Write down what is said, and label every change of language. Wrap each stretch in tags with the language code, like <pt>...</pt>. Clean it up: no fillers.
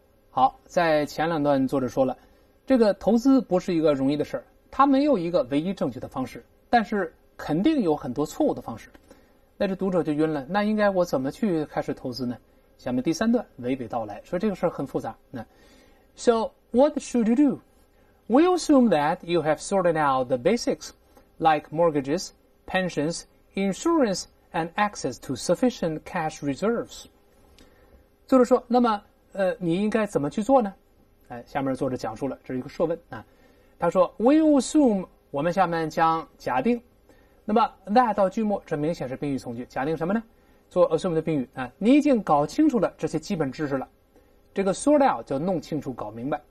<zh>好，在前两段作者说了，这个投资不是一个容易的事儿，它没有一个唯一正确的方式，但是肯定有很多错误的方式。那这读者就晕了，那应该我怎么去开始投资呢？下面第三段娓娓道来，说这个事儿很复杂。</zh> <en>那 So what should you do? We assume that you have sorted out the basics, like mortgages, pensions, insurance, and access to sufficient cash reserves.</en> <zh>作者说，那么。你应该怎么去做呢？哎，下面作者讲述了，这是一个设问啊。他说，</zh> <en>We assume，</en> <zh>我们下面将假定。那么 that 到句末，这明显是宾语从句，假定什么呢？做 assume 的宾语啊。你已经搞清楚了这些基本知识了。这个 sort out 叫弄清楚、搞明白。</zh>